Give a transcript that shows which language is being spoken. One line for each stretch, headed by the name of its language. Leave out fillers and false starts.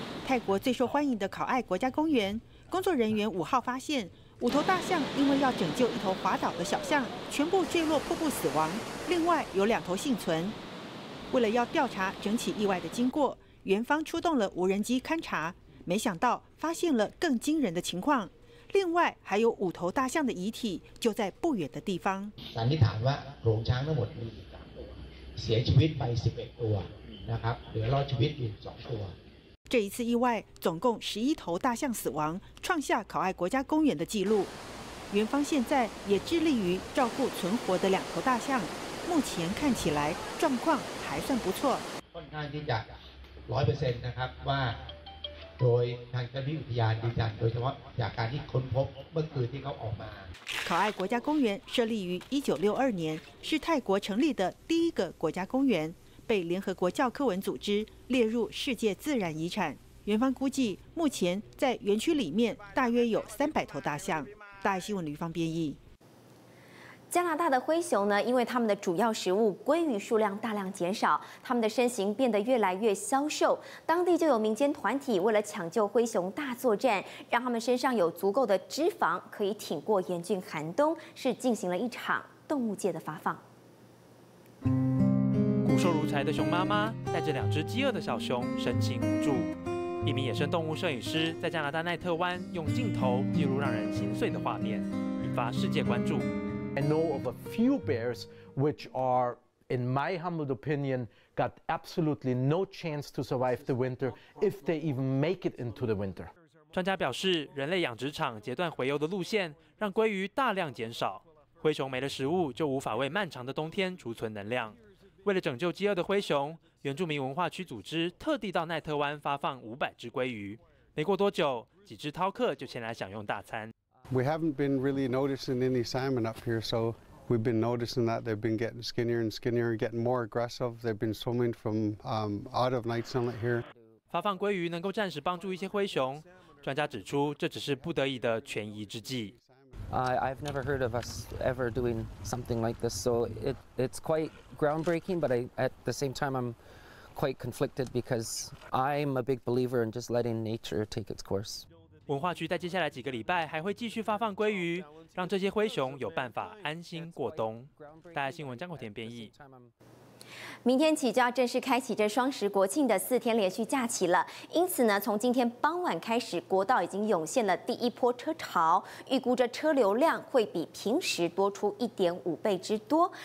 Chinese: 泰国最受欢迎的考爱国家公园。工作人员五号发现，五头大象因为要拯救一头滑倒的小象，全部坠落瀑布死亡，另外有两头幸存。为了要调查整起意外的经过，园方出动了无人机勘查，没想到发现了更惊人的情况，另外还有五头大象的遗体就在不远的地方。
Thai: สันนิษฐานว่าโขลงช้างทั้งหมดมี13ตัวเสียชีวิตไป11ตัวนะครับเหลือรอดชีวิตอยู่2ตัว。
Chinese: 这一次意外，总共11头大象死亡，创下考爱国家公园的纪录。园方现在也致力于照顾存活的两头大象，目前看起来状况还算不错。
Thai: ค่อนข้างที่จะ100%นะครับว่าโดยทางเจ้าหน้าที่อุทยานยืนยันโดยเฉพาะจากการที่ค้นพบเมื่อคืนที่เขาออกมา。
Chinese: 考爱国家公园设立于1962年，是泰国成立的第一个国家公园。被联合国教科文组织列入世界自然遗产。园方估计，目前在园区里面大约有300头大象。大爱新闻吕芳编译。加拿大的灰熊呢，因为它们的主要食物鲑鱼数量大量减少，它们的身形变得越来越消瘦。当地就有民间团体为了抢救灰熊大作战，让它们身上有足够的脂肪，可以挺过严峻寒冬，是进行了一场动物界的发放。骨瘦如柴的熊妈妈带着两只饥饿的小熊，神情无助。一名野生动物摄影师在加拿大奈特湾用镜头记录让人心碎的画面，引发世界关注。
English: I know of a few bears which are, in my humble opinion, got absolutely no chance to survive the winter if they even make it into the winter.
Chinese: 专家表示，人类养殖场截断洄游的路线，让鲑鱼大量减少。灰熊没了食物，就无法为漫长的冬天储存能量。为了拯救饥饿的灰熊，原住民文化区组织特地到奈特湾发放500只鲑鱼。没过多久，几只饕客就前来享用大餐。
English: We haven't been really noticing any salmon up here, so we've been noticing that they've been getting skinnier and skinnier, getting more aggressive. They've been swimming from out of night sunlight here.
Chinese: 发放鲑鱼能够暂时帮助一些灰熊，专家指出，这只是不得已的权宜之计。
English: I've never heard of us ever doing something like this, so it's quite groundbreaking. But at the same time, I'm quite conflicted because I'm a big believer in just letting nature take its course.
Chinese: 文化局在接下来几个礼拜还会继续发放鲑鱼，让这些灰熊有办法安心过冬。大爱新闻张国田编译。明天起就要正式开启这双十国庆的4天连续假期了，因此呢，从今天傍晚开始，国道已经涌现了第一波车潮，预估这车流量会比平时多出1.5倍之多。